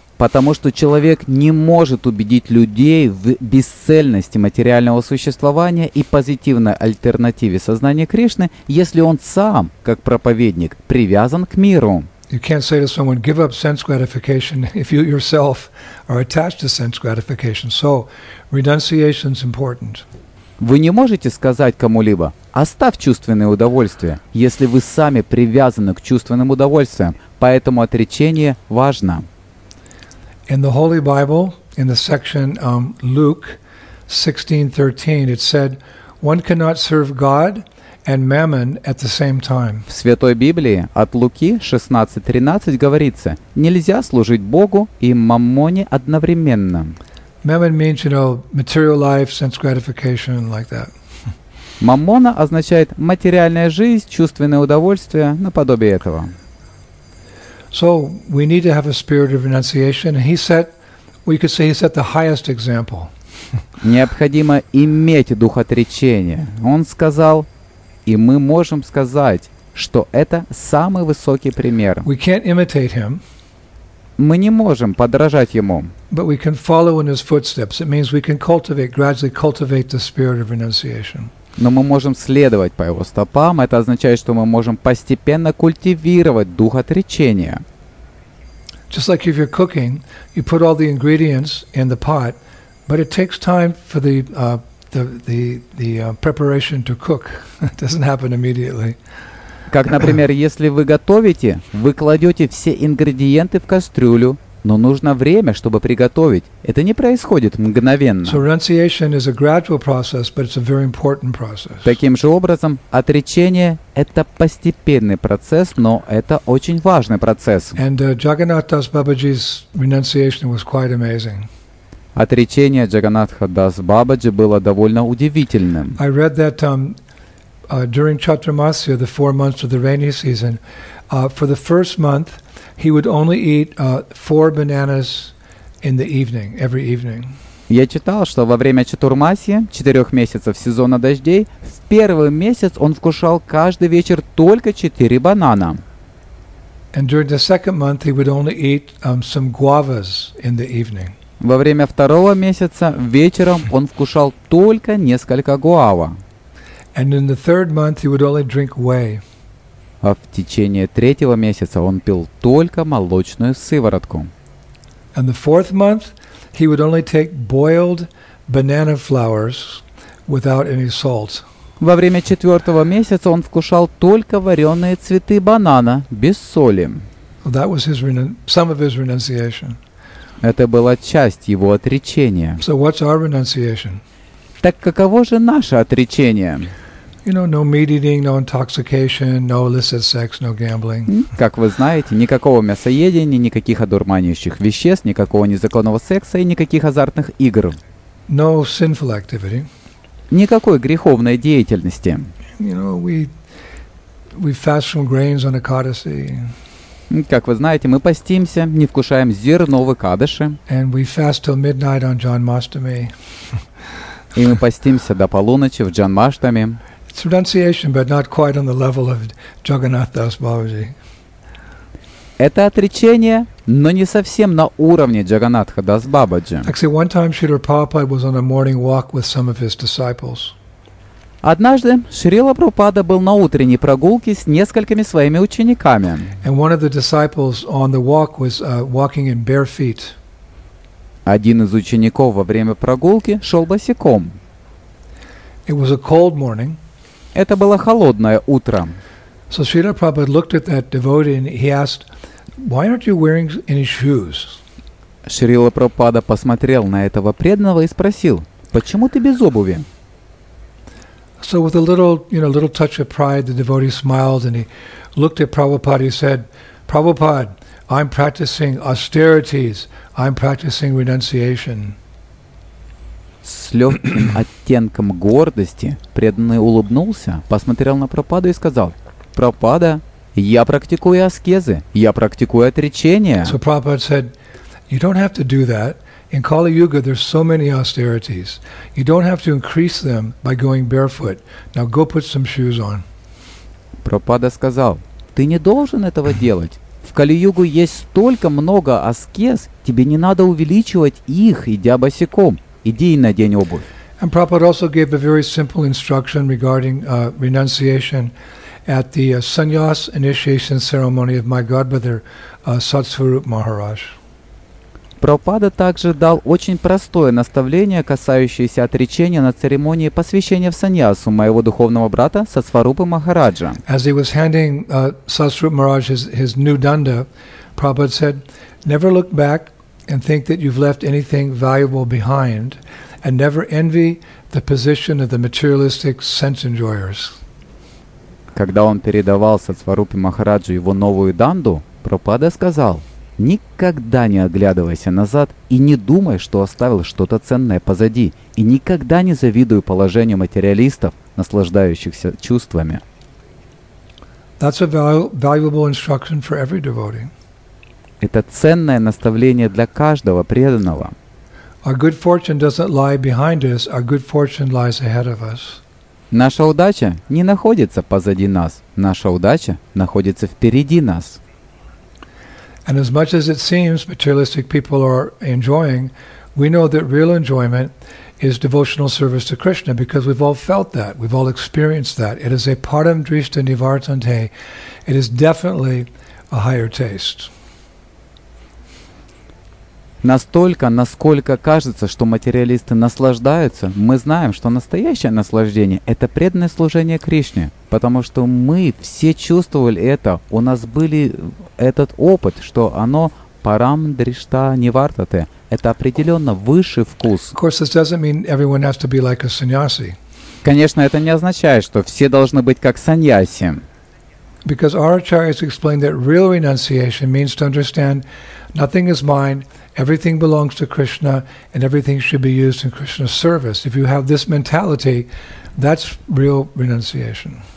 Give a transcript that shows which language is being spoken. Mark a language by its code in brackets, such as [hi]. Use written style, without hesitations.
[ru] Потому что человек не может убедить людей в бесцельности материального существования и позитивной альтернативе сознания Кришны, если он сам, как проповедник, привязан к миру. [en] You can't say to someone, give up sense gratification if you yourself are attached to sense gratification. So, renunciation is important. [ru] Вы не можете сказать кому-либо, оставь чувственные удовольствия, если вы сами привязаны к чувственным удовольствиям. Поэтому отречение важно. [en] In the Holy Bible, in the section Luke 16:13, it said, one cannot serve God and mammon at the same time. [ru] В Святой Библии от Луки 16:13 говорится: нельзя служить Богу и маммоне одновременно. [en] Mammon means, you know, material life, sense gratification, like that. [ru] Маммона означает материальная жизнь, чувственное удовольствие, наподобие этого. [en] So we need to have a spirit of renunciation, and he set the highest example. [ru] Необходимо иметь дух отречения. Он сказал. И мы можем сказать, что это самый высокий пример. [en] We can't imitate him, [ru] мы не можем подражать ему. [en] But we can follow in his footsteps. It means we can cultivate, gradually cultivate the spirit of renunciation. [ru] Но мы можем следовать по его стопам. Это означает, что мы можем постепенно культивировать дух отречения. [en] Just like if you're cooking, you put all the ingredients in the pot, but it takes time for the preparation to cook. It doesn't happen immediately. [ru] Как, например, если вы готовите, вы кладете все ингредиенты в кастрюлю, но нужно время, чтобы приготовить. Это не происходит мгновенно. [en] So renunciation is a gradual process, but it's a very important process. [ru] Таким же образом, отречение – это постепенный процесс, но это очень важный процесс. [en] And Jagannath Das Babaji's renunciation was quite amazing. [ru] Отречение Джаганнатха Дас Бабаджи было довольно удивительным. [en] I read that during Chaturmasya, the 4 months of the rainy season, for the first month, he would only eat 4 bananas in the evening, every evening. [ru] Я читал, что во время Чатурмасьи, 4 месяцев сезона дождей, в первый месяц он вкушал каждый вечер только 4 банана. [en] And during the second month, he would only eat some guavas in the evening. [ru] Во время второго месяца вечером он вкушал только несколько гуава. [en] And in the third month he would only drink whey. [ru] А в течение третьего месяца он пил только молочную сыворотку. [en] And the fourth month he would only take boiled banana flowers without any salt. [ru] Во время четвертого месяца он вкушал только вареные цветы банана без соли. [en] Well, that was his some of his renunciation. [ru] Это была часть его отречения. [en] So what's our renunciation? [ru] Так каково же наше отречение? [en] You know, no meat eating, no intoxication, no illicit sex, no gambling. [ru] Как вы знаете, никакого мясоедения, никаких одурманивающих веществ, никакого незаконного секса и никаких азартных игр. [en] No sinful activity. [ru] Никакой греховной деятельности. [en] You know, we fast from grains on a codicil. [ru] Как вы знаете, мы постимся, не вкушаем зерно в Экадыше. [en] And we fast till midnight on Janmashtami. [ru] И мы постимся до полуночи в Джанмаштами. [en] It's renunciation, but not quite on the level of Jagannath Das Babaji. [ru] Это отречение, но не совсем на уровне Джаганатха Дас Бабаджи. [en] Actually, one time Srila Prabhupada was on a morning walk with some of his disciples. [ru] Однажды Шрила Прабхупада был на утренней прогулке с несколькими своими учениками. [en] And one of the disciples on the walk was walking in bare feet. [ru] Один из учеников во время прогулки шел босиком. [en] It was a cold morning. [ru] Это было холодное утро. [en] So Srila Prabhupada looked at that devotee and he asked, "Why aren't you wearing any shoes?" [ru] Шрила Прабхупада посмотрел на этого преданного и спросил, "Почему ты без обуви?" [en] So with a little, you know, little touch of pride, the devotee smiled and he looked at Prabhupada and said, "Prabhupada, I'm practicing austerities. I'm practicing renunciation." [ru] С легким оттенком гордости преданный улыбнулся, посмотрел на Прабхупаду и сказал, "Прабхупада, я практикую аскезы, я практикую отречение." [en] So Prabhupada said, "You don't have to do that. In Kali Yuga, there's so many austerities. You don't have to increase them by going barefoot. Now go put some shoes on." [ru] Прабхупада сказал, "Ты не должен этого делать. В Кали-югу есть столько много аскез, тебе не надо увеличивать их, идя босиком. Иди и надень обувь." [en] And Prabhupada also gave a very simple instruction regarding renunciation at the sannyas initiation ceremony of my godbrother Satsvarup Maharaj. [ru] Прабхупада также дал очень простое наставление, касающееся отречения на церемонии посвящения в саньясу моего духовного брата Сатсварупы Махараджа. [en] As he was handing Satsvarupa Maharaj his new danda, Prabhupada said, "Never look back and think that you've left anything valuable behind, and never envy the position of the materialistic sense enjoyers." [ru] Когда он передавал Сатсварупе Махараджу его новую данду, Прабхупада сказал, никогда не оглядывайся назад и не думай, что оставил что-то ценное позади, и никогда не завидуй положению материалистов, наслаждающихся чувствами. [en] That's a valuable instruction for every devotee. [ru] Это ценное наставление для каждого преданного. [en] Our good fortune doesn't lie behind us, our good fortune lies ahead of us. [ru] Наша удача не находится позади нас, наша удача находится впереди нас. [en] And as much as it seems materialistic people are enjoying, we know that real enjoyment is devotional service to Krishna, because we've all felt that, we've all experienced that. It is a [sa] param drishta nivartante. [en] It is definitely a higher taste. [ru] Настолько, насколько кажется, что материалисты наслаждаются, мы знаем, что настоящее наслаждение – это преданное служение Кришне, потому что мы все чувствовали это, у нас был этот опыт, что оно [sa] парам дришта нивартате [ru] – это определенно высший вкус. [en] Of course, this doesn't mean everyone has to be like a sannyasi. [ru] Конечно, это не означает, что все должны быть как саньяси. [en] Because our acharyas explained that real renunciation means to understand nothing is mine, everything belongs to Krishna, and everything should be used in Krishna's service. If you have this mentality, that's real renunciation.